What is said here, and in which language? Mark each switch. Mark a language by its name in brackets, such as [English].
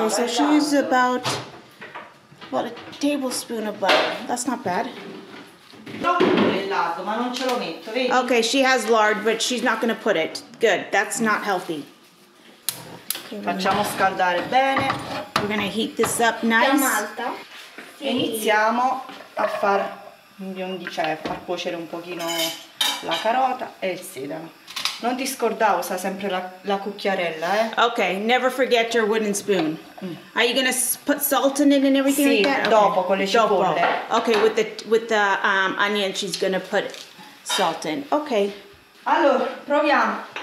[English] okay, so she uses about, what, a tablespoon of butter. That's not bad. [Italian] Ma non ce lo metto, vedi? [English] Okay, she has lard, but she's not gonna put it. Good, that's not healthy. [Italian] Facciamo scaldare bene. [English] We're gonna heat this up nice. [Italian] Sì. Iniziamo a far far cuocere un pochino la carota e il sedano. Non ti scordavo, usa sempre la cucchiarella, eh? [English] Okay, never forget your wooden spoon. Mm. Are you gonna put salt in it and everything? [Italian] Sì, [English] like that? [Italian] Dopo con le cipolle. Dopo. [English] Okay, with the onion, she's gonna put salt in. Okay. [Italian] Allora, proviamo.